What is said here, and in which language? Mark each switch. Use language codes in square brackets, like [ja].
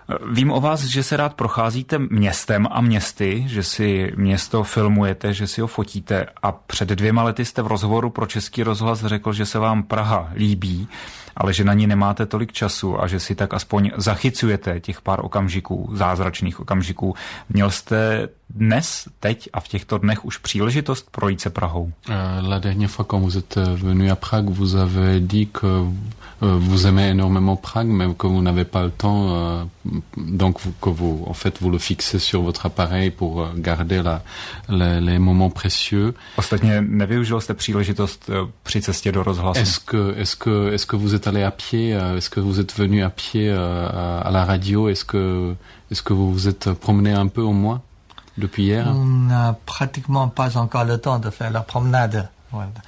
[cs] Vím o vás, že se rád procházíte městem a městy, že si město filmujete, že si ho fotíte a před 2 lety jste v rozhovoru pro Český rozhlas řekl, že se vám Praha líbí, ale že na ní nemáte tolik času a že si tak aspoň zachycujete těch pár okamžiků, zázračných okamžiků. Měl jste dnes, teď a v těchto dnech už příležitost projít se Prahou? [fr] La dernière fois quand vous êtes venu à Prague, vous avez dit que vous aimez énormément Prague, mais que vous n'avez pas le temps, donc que vous, en fait, vous le fixez sur votre appareil pour garder les moments précieux. [cs] Ostatně nevyužil jste příležitost při cestě do rozhlasu. [fr] Est-ce que vous êtes allé à pied? Est-ce que vous êtes venu à pied à la radio? Est-ce que vous vous êtes promené un peu au moins? Depuis hier? On n'a pratiquement pas encore le temps de faire la promenade. Voilà.